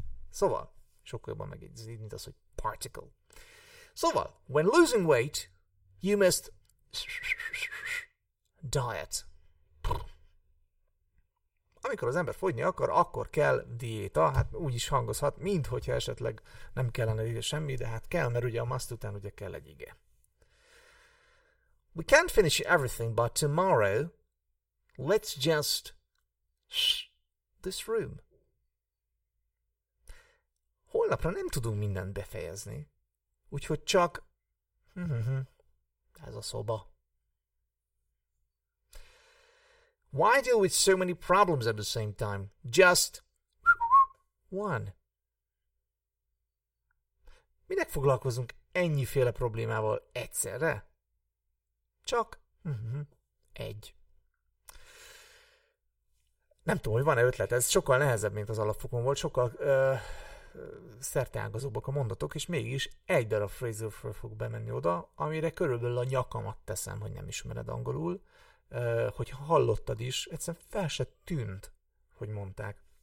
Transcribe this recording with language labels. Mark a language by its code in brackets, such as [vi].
[hu] Szóval, sokkal jobban megint, mint az, hogy particle. Szóval, [en] when losing weight, you must diet. [hu] Amikor az ember fogyni akar, akkor kell diéta, hát úgy is hangozhat, mint hogyha esetleg nem kellene ide semmi, de hát kell, mert ugye a must után ugye kell egy ige. [en] We can't finish everything, but tomorrow, let's just this room. [hu] Holnapra nem tudunk mindent befejezni, úgyhogy csak ez a szoba. [en] Why deal with so many problems at the same time? Just one. [hu] Minek foglalkozunk ennyiféle problémával egyszerre? Csak egy. Nem tudom, hogy van-e ötlet, ez sokkal nehezebb, mint az alapfokon volt, sokkal szerteágazóbbak a mondatok, és mégis egy darab phrasal verb fog bemenni oda, amire körülbelül a nyakamat teszem, hogy nem ismered angolul, hogyha hallottad is, egyszerűen fel se tűnt, hogy mondták.